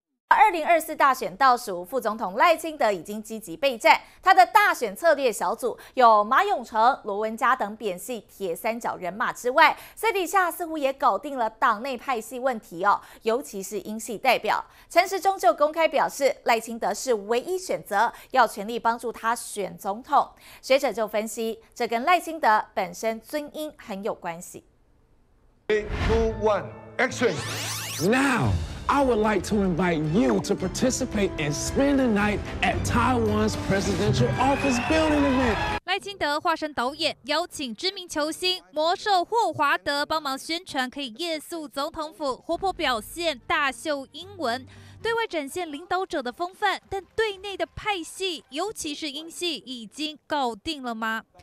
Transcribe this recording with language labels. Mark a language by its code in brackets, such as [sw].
[zh] 2024大选倒数，副总统赖清德已经积极备战，他的大选策略小组有马永成、罗文嘉等扁系铁三角人马之外，私底下似乎也搞定了党内派系问题哦，尤其是英系代表陈时中就公开表示赖清德是唯一选择，要全力帮助他选总统。学者就分析，这跟赖清德本身尊英很有关系。 [en] 3, 2, 1, action NowI would like to invite you to participate and spend the night at Taiwan's presidential office building event. [zh] 赖清德化身导演，邀请知名球星魔兽霍华德帮忙宣传，可以夜宿总统府，活泼表现，大秀英文，对外展现领导者的风范。但对内的派系，尤其是英系，已经搞定了吗？